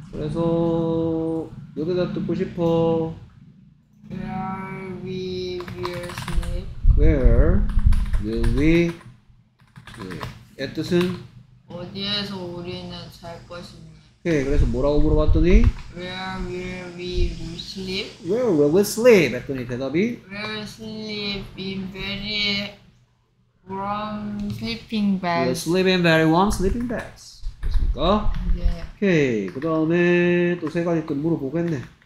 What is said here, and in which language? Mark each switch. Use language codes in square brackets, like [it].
[ko] 그래서 여기다 듣고 싶어. [en] Where we will sleep? Where will we sleep? [ko] 애 뜻은? 어디에서 우리는 잘 것입니까? 오케이. 그래서 뭐라고 물어봤더니? [en] Where will we sleep? Where will we sleep? [ko] 했더니 대답이? [en] Where we sleep in very warm sleeping bags. We're sleeping very warm sleeping bags. [ko] 됐습니까? 네. 오케이. 그 다음에 또 세 가지 끝 물어보겠네.